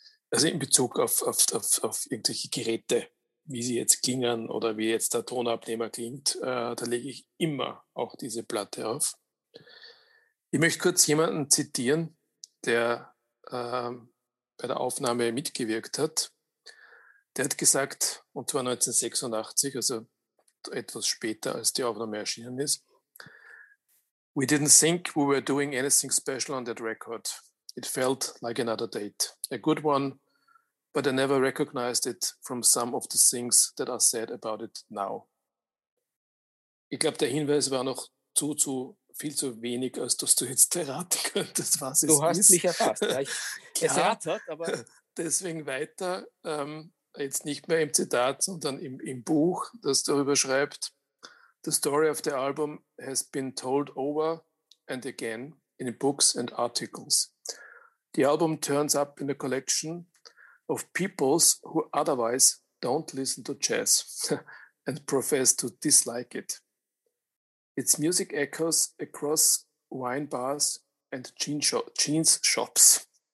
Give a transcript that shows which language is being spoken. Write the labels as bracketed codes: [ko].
[de] Also in Bezug auf irgendwelche Geräte, wie sie jetzt klingen oder wie jetzt der Tonabnehmer klingt, da lege ich immer auch diese Platte auf. Ich möchte kurz jemanden zitieren, der bei der Aufnahme mitgewirkt hat. Der hat gesagt, und zwar 1986, also etwas später, als die Aufnahme erschienen ist, [en] We didn't think we were doing anything special on that record. It felt like another date. A good one, but I never recognized it from some of the things that are said about it now. [de] Ich glaube, der Hinweis war noch zu viel zu wenig, als dass du jetzt erraten könntest, was es ist. Du hast mich erfasst. Ja, es erratet, aber... Deswegen weiter, jetzt nicht mehr im Zitat, sondern im Buch, das darüber schreibt, [en] the story of the album has been told over and again in books and articles. The album turns up in a collection of peoples who otherwise don't listen to jazz and profess to dislike it. Its music echoes across wine bars and jeans shops.